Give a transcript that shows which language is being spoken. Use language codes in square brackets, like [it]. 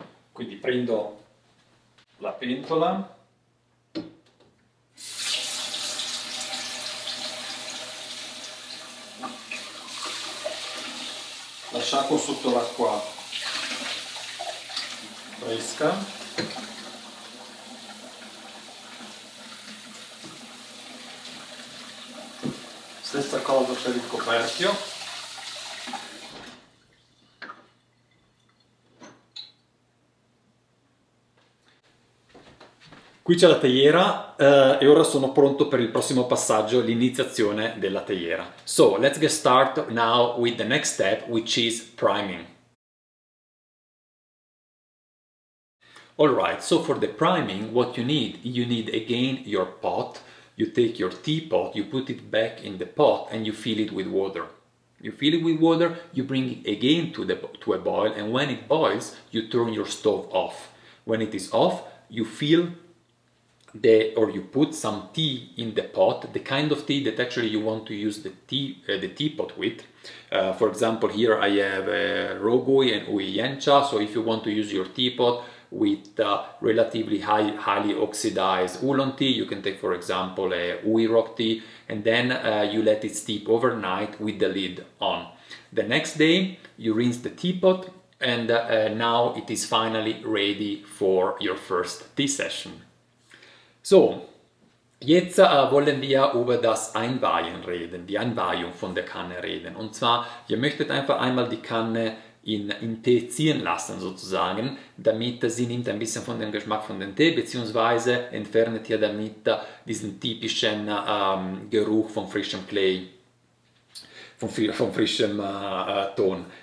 [it] Quindi prendo la pentola la sciacquo sotto l'acqua fresca stessa cosa per il coperchio. Qui c'è la teiera e ora sono pronto per il prossimo passaggio, l'iniziazione della teiera. [en] So, let's get started now with the next step, which is priming. Alright, so for the priming, what you need again your pot. You take your teapot, you put it back in the pot and you fill it with water. You fill it with water, you bring it again to a boil, and when it boils, you turn your stove off. When it is off, you fill you put some tea in the pot, the kind of tea that actually you want to use the teapot with. For example, here I have rogui and uyencha, so if you want to use your teapot with relatively highly oxidized oolong tea, you can take, for example, a uirok tea, and then you let it steep overnight with the lid on. The next day, you rinse the teapot, and now it is finally ready for your first tea session. [de] So, jetzt wollen wir über das Einweihen reden, die Einweihung von der Kanne reden. Und zwar, ihr möchtet einfach einmal die Kanne in Tee ziehen lassen, sozusagen, damit sie nimmt ein bisschen von dem Geschmack von dem Tee, beziehungsweise entfernet ihr damit diesen typischen Geruch von frischem Klee, von frischem Ton.